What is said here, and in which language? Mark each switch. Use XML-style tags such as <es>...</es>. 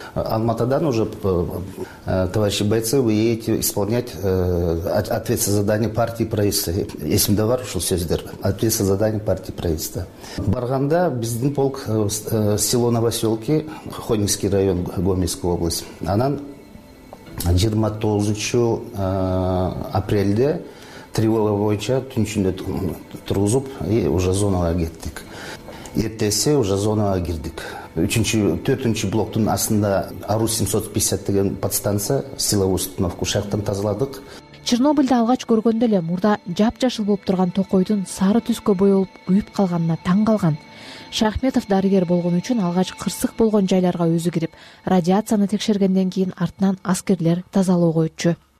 <ru>Алматыдан уже товарищи бойцы, вы едете исполнять ответственное задание партии правительства.</ru> <ky>Эсимде бар ушул сөздөр,</ky> <ru>ответственное задание партии правительства.</ru> <ky>Барганда биздин полк село Новоселки, Хонинский район, Гомельская область. Анан 29 апрельде тревога боюнча түн ичинде тургузуп и уже зонага кеттик. Эртеси уже зонага кирдик. 4-чү блоктун астында АРУ-750 деген подстанция,</ky> <ru>силовую установку</ru> <ky>шахтан тазаладык. Чернобыльды алгач көргөндө эле мурда жап-жашыл болуп турган токойдун сары түскө боелуп күйүп калганына таң калган. Шаяхметов дарыгер болгон үчүн алгач кырсык болгон жайларга өзү кирип, радиацияны текшергенден кийин артынан аскерлер тазалоого өтчү.</ky>